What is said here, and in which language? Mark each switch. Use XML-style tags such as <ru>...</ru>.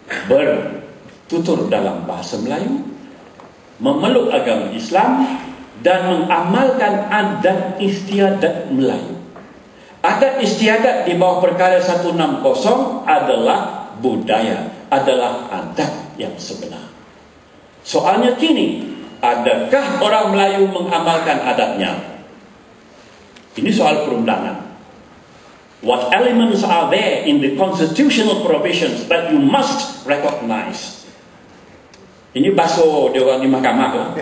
<ms>Bertutur dalam bahasa Melayu, memeluk agama Islam, dan mengamalkan adat istiadat Melayu. Adat istiadat di bawah perkara 160 adalah budaya, adalah adat yang sebenar. Soalnya kini, adakah orang Melayu mengamalkan adatnya? Ini soal perundangan.</ms> <en>What elements are there in the constitutional provisions that you must recognize?</en> <ms>Ini baso dia orang di mahkamah.</ms>